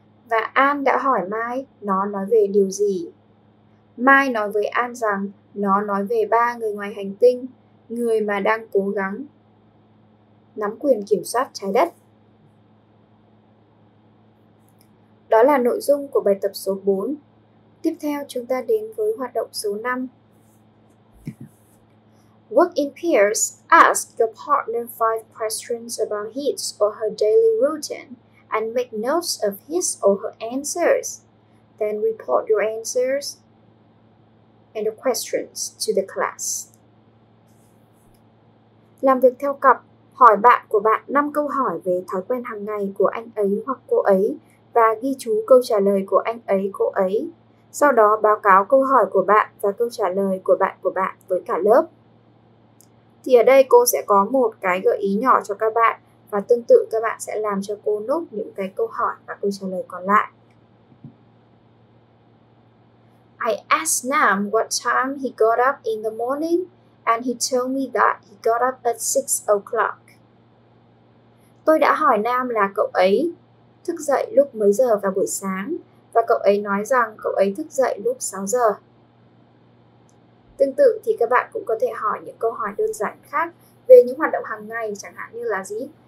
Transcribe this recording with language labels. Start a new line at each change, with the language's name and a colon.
Vietnamese: Và Anne đã hỏi Mai nó nói về điều gì? Mai nói với Anne rằng nó nói về ba người ngoài hành tinh, người mà đang cố gắng nắm quyền kiểm soát trái đất. Đó là nội dung của bài tập số 4. Tiếp theo chúng ta đến với hoạt động số 5.
English: Work in pairs, ask your partner 5 questions about his or her daily routine and make notes of his or her answers. Then report your answers and the questions to the class.
Vietnamese: Làm việc theo cặp, hỏi bạn của bạn 5 câu hỏi về thói quen hàng ngày của anh ấy hoặc cô ấy và ghi chú câu trả lời của anh ấy, cô ấy. Sau đó báo cáo câu hỏi của bạn và câu trả lời của bạn với cả lớp. Thì ở đây cô sẽ có một cái gợi ý nhỏ cho các bạn và tương tự các bạn sẽ làm cho cô nốt những cái câu hỏi và câu trả lời còn lại.
English: I asked Nam what time he got up in the morning and he told me that he got up at 6 o'clock.
Vietnamese: Tôi đã hỏi Nam là cậu ấy thức dậy lúc mấy giờ vào buổi sáng và cậu ấy nói rằng cậu ấy thức dậy lúc 6 giờ. Tương tự thì các bạn cũng có thể hỏi những câu hỏi đơn giản khác về những hoạt động hàng ngày, chẳng hạn như là gì?